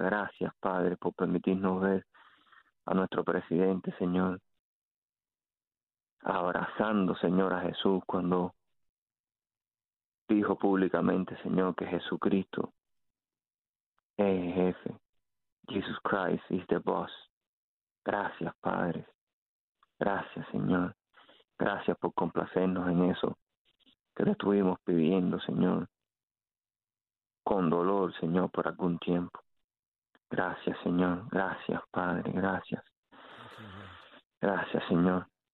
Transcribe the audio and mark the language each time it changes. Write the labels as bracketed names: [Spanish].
[Spanish] Gracias, Padre, por permitirnos ver a nuestro presidente, Señor, abrazando, Señor, a Jesús cuando dijo públicamente, Señor, que Jesucristo es el jefe. [English] Jesus Christ is the boss. [Spanish] Gracias, Padre. Gracias, Señor. Gracias por complacernos en eso que te estuvimos pidiendo, Señor, con dolor, Señor, por algún tiempo. Gracias, Señor. Gracias, Padre. Gracias. Gracias, Señor.